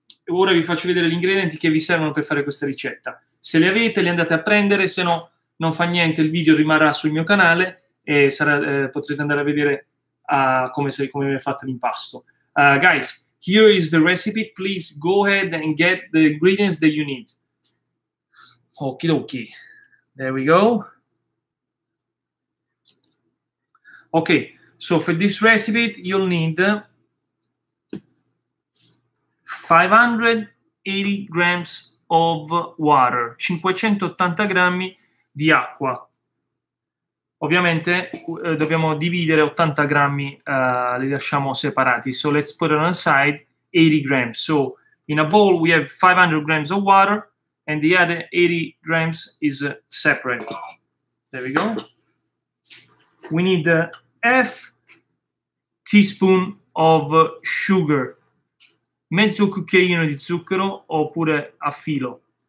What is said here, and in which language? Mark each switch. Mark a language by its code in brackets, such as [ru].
[it] Ora vi faccio vedere gli ingredienti che vi servono per fare questa ricetta. Se li avete, li andate a prendere, se no non fa niente, il video rimarrà sul mio canale e potrete andare a vedere come viene fatto l'impasto. [en] Guys, here is the recipe, please go ahead and get the ingredients that you need. Okie dokie, there we go. Ok, so for this recipe you'll need 580 grams of water, [it] 580 grammi di acqua. Ovviamente dobbiamo dividere 80 grammi, li lasciamo separati. [en] So let's put it on the side, 80 grams. So in a bowl we have 500 grams of water and the other 80 grams is separate. There we go. We need half teaspoon of sugar, [it] mezzo cucchiaino di zucchero oppure a filo.